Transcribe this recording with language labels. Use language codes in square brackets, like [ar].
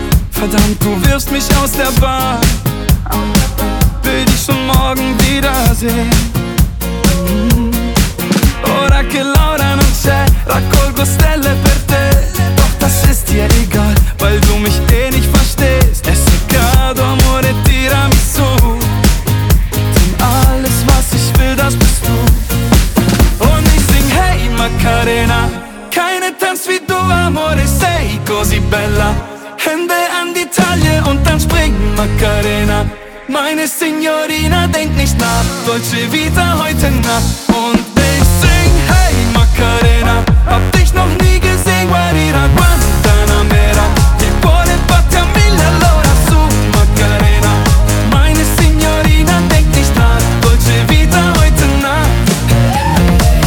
[de] Verdammt, du wirfst mich aus der Bahn. Will dich schon morgen wiedersehen. [it] Ora che Laura non c'è, raccolgo stelle per te. [de] Doch das ist dir egal, weil du mich eh nicht verstehst. Es ist egal, amore, tiramisu. Denn alles, was ich will, das bist du. Und ich sing, hey Macarena, keine Tanz wie du, [it] amore, sei così bella. [de] Hände an die Taille und dann springen Macarena. Meine Signorina denkt nicht nach, Dolce Vita heute Nacht. Und ich sing, hey Macarena, hab dich noch nie gesehen, Guarira, Guantanamera. [it] Ti vuole battere a mille all'ora su Macarena. [de] Meine Signorina denkt nicht nach, Dolce Vita heute Nacht.